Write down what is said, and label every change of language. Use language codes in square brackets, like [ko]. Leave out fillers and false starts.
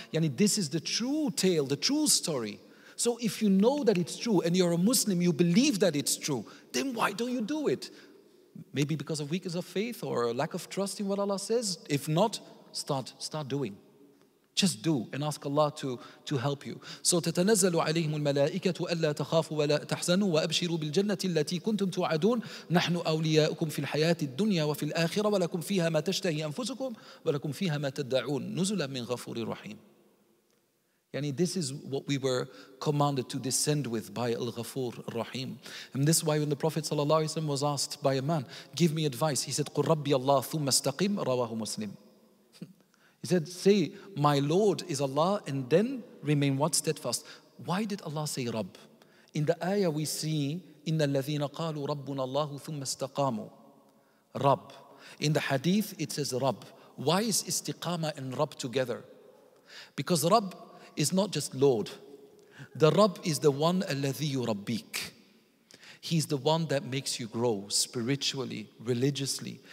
[en] Yani, this is the true tale, the true story. So if you know that it's true and you're a Muslim, you believe that it's true, then why don't you do it? Maybe because of weakness of faith or lack of trust in what Allah says? If not, start doing. Just do and ask Allah to help you. [ar] So تتنزل عليهم الملائكة ألا تخافوا ولا تحزنوا وأبشروا بالجنة التي كنتم توعدون نحن أولياؤكم في الحياة الدنيا وفي الآخرة ولكم فيها ما تشتهي أنفسكم ولكم فيها ما تدعون نزلا من غفور رحيم. [en] Yani, this is what we were commanded to descend with by Al-Ghafoor Rahim. And this is why when the Prophet ﷺ was asked by a man, give me advice, he said, [ar] قُلْ رَبِّيَ اللَّهُ ثُمَّ اسْتَقِيمْ رَوَاهُ مُسْلِمْ. [en] He said, say, my Lord is Allah, and then remain what? Steadfast. Why did Allah say Rabb? In the ayah we see, [ar] إِنَّ الَّذِينَ قَالُوا رَبُّنَ اللَّهُ ثُمَّ اسْتَقَامُوا. [en] Rabb. In the hadith, it says Rabb. Why is istiqama and Rabb together? Because Rabb is not just Lord. The Rabb is the one [ar] الذي يربيك. [en] He's the one that makes you grow spiritually, religiously.